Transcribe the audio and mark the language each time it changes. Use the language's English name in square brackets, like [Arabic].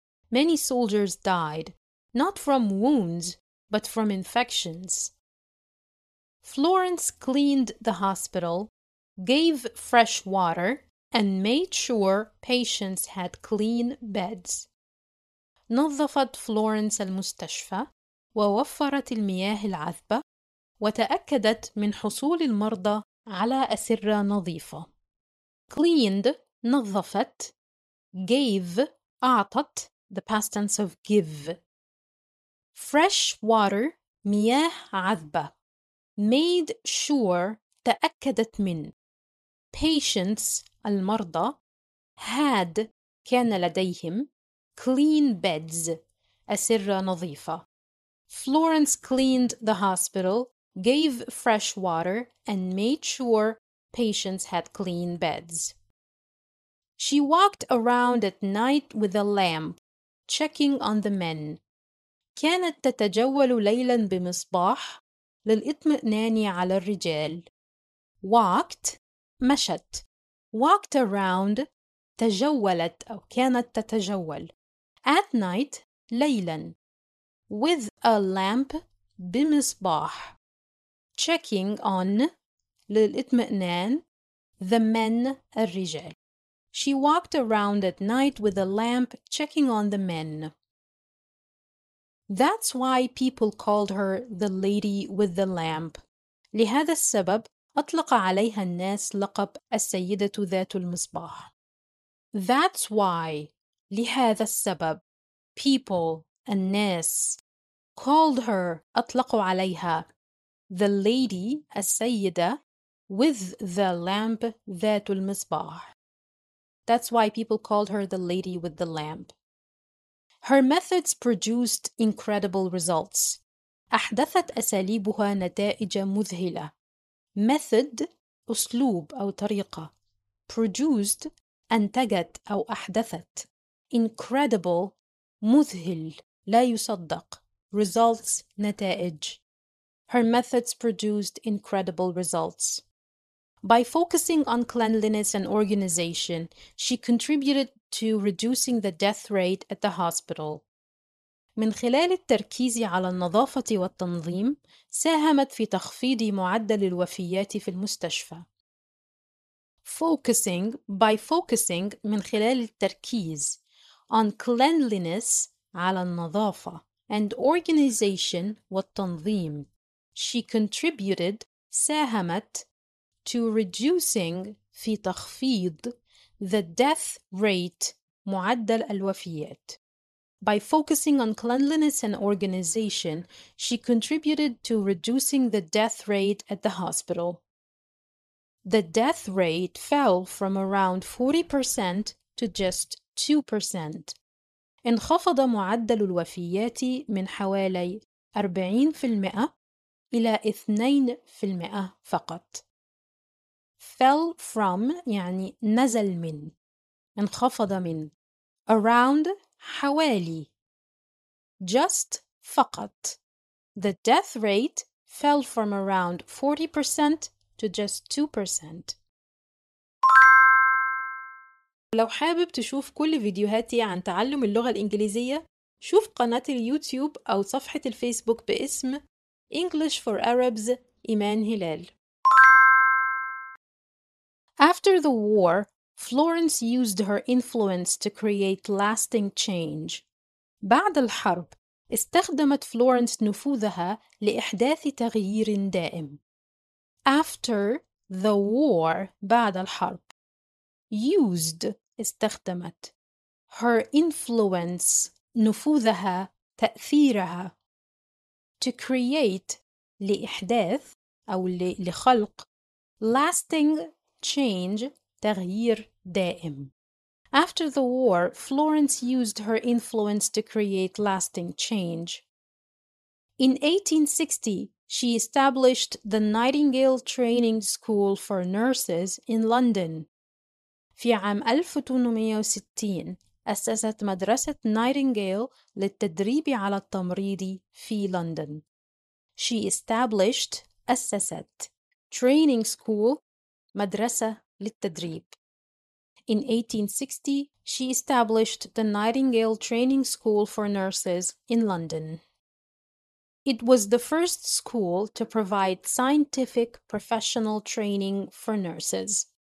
[English] Many soldiers died, not from wounds, but from infections. Florence cleaned the hospital, gave fresh water, and made sure patients had clean beds. [Arabic] نظفت فلورنس المستشفى ووفرت المياه العذبة وتأكدت من حصول المرضى على أسرة نظيفة. [English] Cleaned, [Arabic] نظفت, [English] gave, [Arabic] أعطت, [English] the past tense of give. Fresh water, [Arabic] مياه عذبة. [English] Made sure, [Arabic] تأكدت من. [English] Patients, [Arabic] المرضى. [English] Had, [Arabic] كان لديهم. [English] Clean beds, [Arabic] أسرة نظيفة. [English] Florence cleaned the hospital, gave fresh water, and made sure patients had clean beds. She walked around at night with a lamp, checking on the men. [Arabic] كانت تتجول ليلا بمصباح للإطمئنان على الرجال. [English] Walked, [Arabic] مشت. [English] Walked around, [Arabic] تجولت أو كانت تتجول. [English] At night, [Arabic] ليلا. [English] With a lamp, [Arabic] بمصباح. [English] Checking on, [Arabic] للإطمئنان, [English] the men, [Arabic] الرجال. [English] She walked around at night with a lamp, checking on the men. That's why people called her the lady with the lamp. [Arabic] لهذا السبب أطلق عليها الناس لقب السيدة ذات المصباح. [English] That's why, [Arabic] لهذا السبب, [English] people, [Arabic] الناس, [English] called her, [Arabic] أطلقوا عليها, [English] the lady, [Arabic] السيدة, [English] with the lamp, [Arabic] ذات المصباح. [English] That's why people called her the lady with the lamp. Her methods produced incredible results. [Arabic] أحدثت أساليبها نتائج مذهلة. [English] Method, [Arabic] أسلوب أو طريقة. [English] Produced, [Arabic] أنتجت أو أحدثت. [English] Incredible, [Arabic] مذهل, لا يصدق. [English] Results, [Arabic] نتائج. [English] Her methods produced incredible results. By focusing on cleanliness and organization, she contributed to reducing the death rate at the hospital. [Arabic] من خلال التركيز على النظافة والتنظيم، ساهمت في تخفيض معدل الوفيات في المستشفى. [English] Focusing, by focusing, [Arabic] من خلال التركيز [English] on cleanliness, [Arabic] على النظافة, [English] and organization, [Arabic] والتنظيم. [English] She contributed, [Arabic] ساهمت, [English] to reducing, [Arabic] في تخفيض, [English] the death rate, [Arabic] معدل الوفيات. [English] By focusing on cleanliness and organization, she contributed to reducing the death rate at the hospital. the death rate fell from around 40% to just 2%. [Arabic] انخفض معدل الوفيات من حوالي 40% إلى 2% فقط. [English] Fell from [Arabic] يعني نزل من. انخفض من. [English] Around [Arabic] حوالي. [English] Just [Arabic] فقط. [English] The death rate fell from around 40% to just 2%. [Arabic] لو حابب تشوف كل فيديوهاتي عن تعلم اللغة الإنجليزية، شوف قناة اليوتيوب أو صفحة الفيسبوك باسم [English] English for Arabs [Arabic] إيمان هلال. [English] After the war, Florence used her influence to create lasting change. [Arabic] بعد الحرب، استخدمت فلورنس نفوذها لإحداث تغيير دائم. [English] After the war، [Arabic] بعد الحرب. [English] Used، [Arabic] استخدمت. [English] Her influence، [Arabic] نفوذها، تأثيرها. [English] To create، [Arabic] لإحداث أو لخلق. [English] Lasting change، [Arabic] تغيير دائم. [English] After the war, Florence used her influence to create lasting change. In 1860, she established the Nightingale Training School for Nurses in London. [Arabic] في عام 1860 أسست مدرسة نايتنغيل للتدريب على التمريض في لندن. [English] She established [Arabic] أسست [English] Training School [Arabic] مدرسة للتدريب. [English] In 1860, she established the Nightingale Training School for Nurses in London. It was the first school to provide scientific professional training for nurses.